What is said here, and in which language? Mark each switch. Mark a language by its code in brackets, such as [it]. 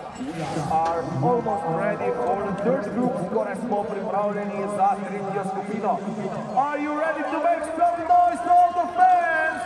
[en] We are almost ready for the third group. [sl] Skoraj smo pripravljeni za tretjo skupino. [en] Are you ready to make some noise to all the fans?